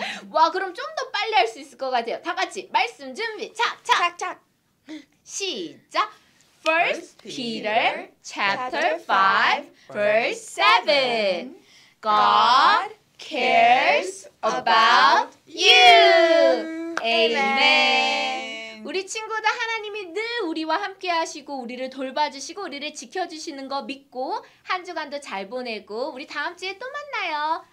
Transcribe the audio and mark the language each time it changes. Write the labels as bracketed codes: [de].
[ko] 와, 그럼 좀 더 빨리 할 수 있을 것 같아요. 다 같이 말씀 준비 착착착 시작 [en] First Peter chapter 5 verse 7 God cares about you. Amen. [ko] 우리 친구도 하나님이 늘 우리와 함께 하시고 우리를 돌봐주시고 우리를 지켜주시는 거 믿고 한 주간도 잘 보내고 우리 다음 주에 또 만나요.